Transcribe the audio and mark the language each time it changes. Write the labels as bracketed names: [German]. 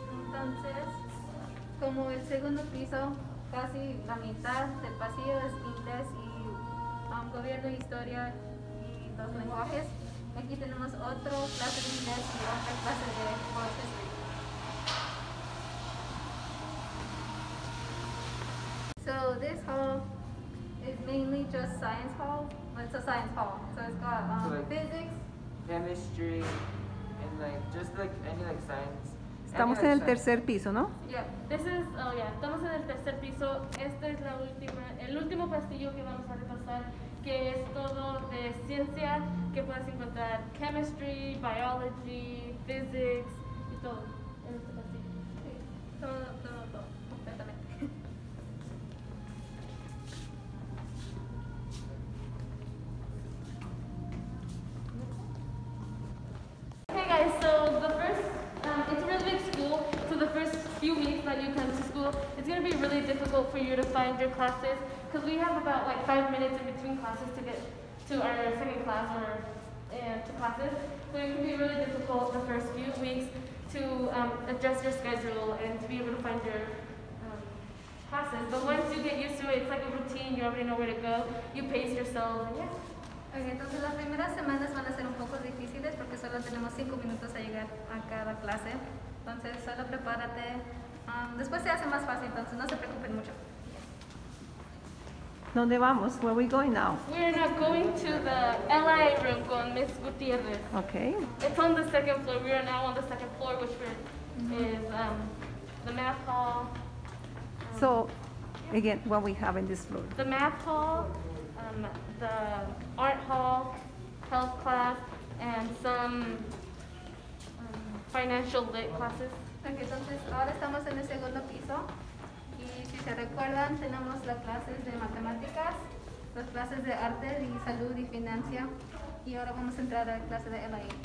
[Spanish] Entonces, como el segundo piso, casi la mitad del pasillo es inglés y gobierno, historia y dos lenguajes. Aquí tenemos otro clase de inglés y otra clase de history. [English] So this hall is mainly just science hall. It's a science hall. So it's got physics, chemistry, and like just like any like science. [Spanish] Estamos en el tercer piso, ¿no? Yeah, estamos en el tercer piso. Este es el último pasillo que vamos a repasar, que es todo de ciencia, que puedes encontrar chemistry, biology, physics, y todo en este pasillo. Sí, todo, completamente. [English] Hey guys, it's a really big school, so the first few weeks that you come to school, it's going to be really difficult for you to find your classes, because we have about like 5 minutes in between classes to get to our second class or to classes, so it can be really difficult the first few. 2 weeks to adjust your schedule and to be able to find your classes. But once you get used to it, it's like a routine. You already know where to go. You pace yourself. Yeah. [Spanish] Okay, entonces las primeras semanas van a ser un poco difíciles porque solo tenemos 5 minutos a llegar a cada clase. Entonces, solo prepárate. Después se hace más fácil, entonces no se preocupen mucho. ¿Dónde vamos? [English] Where are we going now? We're not going to the LI room con Ms. Gutierrez. Okay. It's on the second floor. We are now on the second floor, which is the math hall. Again, what we have in this floor? The math hall. The art hall, health class, and some financial lit classes. [Spanish] Okay, entonces ahora estamos en el segundo piso. Y si se recuerdan, tenemos las clases de matemáticas, las clases de arte y salud y financia. Y ahora vamos a entrar a la clase de LA.